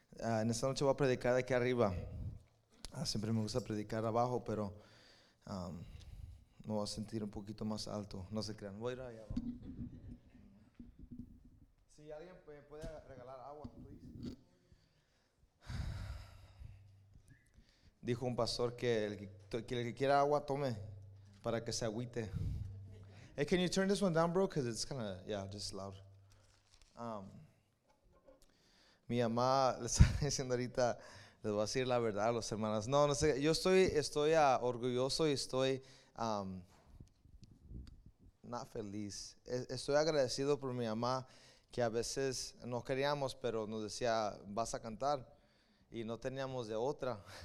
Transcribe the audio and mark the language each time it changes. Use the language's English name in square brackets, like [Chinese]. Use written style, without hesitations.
[Spanish] En esta noche voy a predicar aquí arriba. Siempre me gusta predicar abajo, pero me voy a sentir un poquito más alto. No se crean. Voy a ir allá abajo. Si alguien puede regalar agua, please. Dijo un pastor que el que quiera agua, tome, para que se agüite. [English] Hey, can you turn this one down, bro? Because it's kind of, yeah, just loud. [Spanish] Mi mamá le está diciendo ahorita, les voy a decir la verdad a los hermanos. No sé, yo estoy orgulloso y estoy, not feliz. Estoy agradecido por mi mamá, que a veces no queríamos, pero nos decía, vas a cantar, y no teníamos de otra.